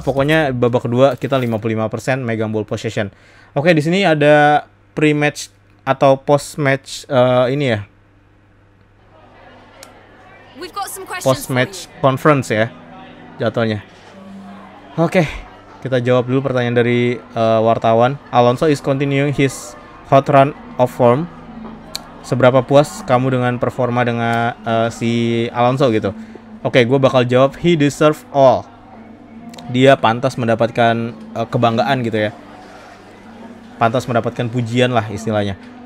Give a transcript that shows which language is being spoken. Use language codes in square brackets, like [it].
[id] Pokoknya babak kedua kita 55% megang ball possession. Oke, di sini ada pre-match atau post-match ini ya, post-match conference ya jatuhnya. Oke, kita jawab dulu pertanyaan dari wartawan. [en] Alonso is continuing his hot run of form. [id] Seberapa puas kamu dengan performa dengan si Alonso gitu? Oke, gue bakal jawab, [en] he deserve all. [id] Dia pantas mendapatkan kebanggaan gitu ya. Pantas mendapatkan pujian lah istilahnya.